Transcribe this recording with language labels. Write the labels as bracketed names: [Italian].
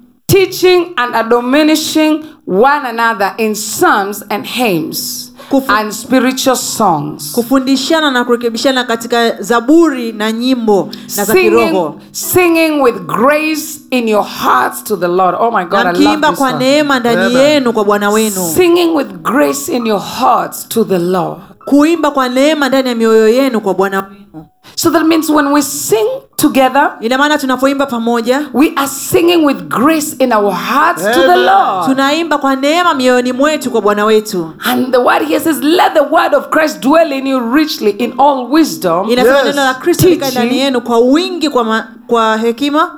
[English] Teaching and admonishing one another in psalms and hymns and spiritual songs. [Swahili] Kufundishana na kurekebishana katika zaburi na nyimbo na za kiroho. [English] Singing with grace in your hearts to the Lord. Oh my God, I love this. [Swahili] Nakiimba kwa neema ndani yenu kwa Bwana wenu. [English] Singing with grace in your hearts to the Lord. [Swahili] Kuimba kwa neema ndani ya mioyo yenu kwa Bwana wenu. [English] So that means when we sing together, [Swahili] ina maana tunapoimba pamoja, [English] we are singing with grace in our hearts to the Lord. [Swahili] Tunaimba kwa neema mioyoni mwetu kwa Bwana wetu. [English] And the word here says, let the word of Christ dwell in you richly in all wisdom. [Swahili] Inasema neno la Kristo likae ndani yenu kwa wingi kwa hekima,